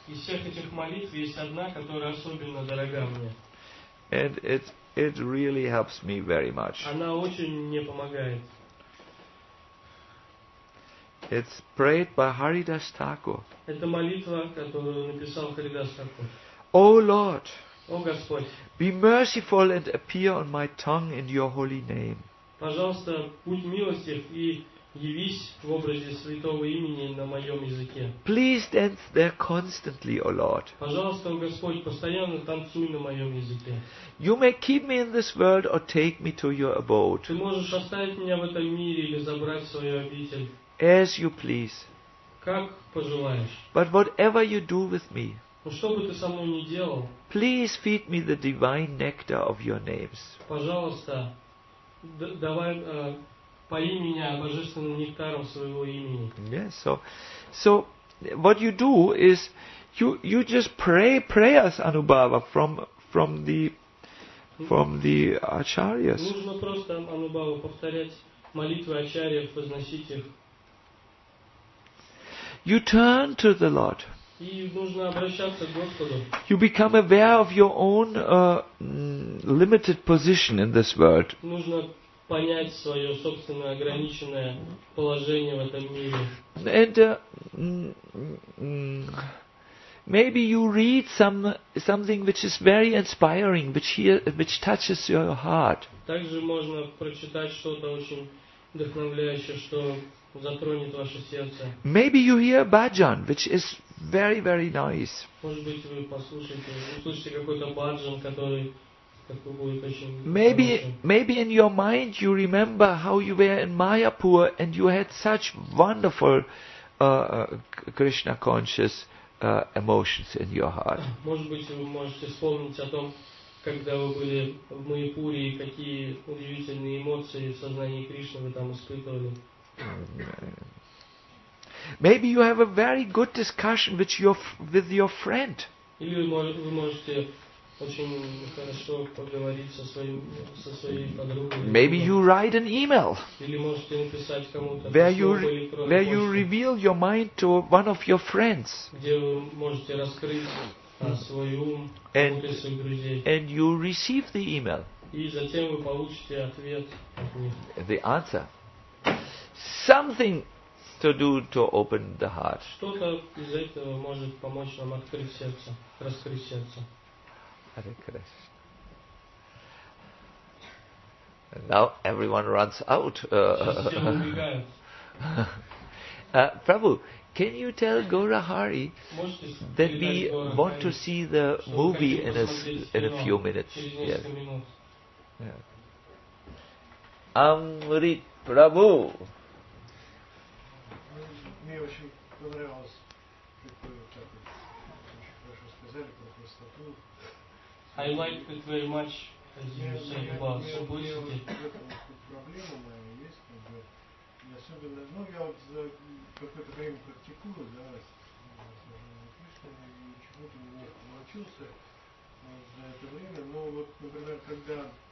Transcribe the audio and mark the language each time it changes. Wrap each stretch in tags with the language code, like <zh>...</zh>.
<ru>Из всех этих молитв есть одна, которая особенно дорога мне.</ru> <en>And it really helps me very much.</en> <ru>Она очень мне помогает.</ru> <en>It's prayed by Haridas Thakur.</en> <ru>Это молитва, которую написал Харидас Такур.</ru> <en>O Lord,</en> <ru>О Господь,</ru> <en>be merciful and appear on my tongue in your holy name.</en> <ru>Пожалуйста, будь милостив и явись в образе святого имени на моем языке.</ru> <en>Please dance there constantly, O Lord.</en> <ru>Пожалуйста, О Господь, постоянно танцуй на моем языке.</ru> <en>You may keep me in this world or take me to your abode.</en> <ru>Ты можешь оставить меня в этом мире или забрать в свою обитель.</ru> <en>As you please.</en> <ru>Как пожелаешь.</ru> <en>But whatever you do with me,</en> <ru>ну, что бы ты со мной ни делал,</ru> <en>please feed me the divine nectar of your names.</en> <ru>Пожалуйста, давай пои меня божественным нектаром своего имени.</ru> <en>Yes, so what you do is you just pray prayers, Anubhava, from the acharyas.</en> <ru>Нужно просто, Анубава, повторять молитвы ачарьев, возносить их.</ru> <en>You turn to the Lord.</en> <ru>И нужно обращаться к Господу.</ru> <en>You become aware of your own limited position in this world.</en> <ru>Нужно понять свое собственное ограниченное положение в этом мире.</ru> <en>And maybe you read something which is very inspiring, which touches your heart.</en> <ru>Также можно прочитать что-то очень вдохновляющее, что затронет ваше сердце.</ru> <en>Maybe you hear bhajan, which is very, very nice.</en> <ru>Может быть, вы услышите какой-то bhajan, который такой будет очень.</ru> <en>Maybe in your mind you remember how you were in Mayapur and you had such wonderful Krishna conscious emotions in your heart.</en> <ru>Может быть, вы можете вспомнить о том, когда вы были в Майяпуре, и какие удивительные эмоции в сознании Кришны вы там испытывали.</ru> <en>Maybe you have a very good discussion with your friend.</en> <ru>Или вы можете очень хорошо поговорить со своим со своей подругой.</ru> <en>Maybe you write an email.</en> <ru>Или можете написать кому-то.</ru> <en>Where you reveal your mind to one of your friends.</en> <ru>Где вы можете раскрыть свой ум кому-то из своих друзей.</ru> <en>And you receive the email.</en> <ru>И затем вы получите ответ от них.</ru> <en>The answer. Something to do to open the heart.</en> <ru>Что-то из этого может помочь нам открыть сердце, раскрыть сердце.</ru> <en>Hare Krishna. And now everyone runs out. Prabhu, can you tell Gaurahari that we want to see the movie in a few minutes? Yes. Amrit Prabhu.</en> <ru>Мне очень понравилось, как вы очень хорошо сказали про простоту.</ru> <en>I like it very much, as you said about simplicity.</en> <ru>Проблема моя есть, как бы, особенно, ну, я вот за какое-то время практикую, да, и чему-то мне научился за это время, но вот, например, когда</ru>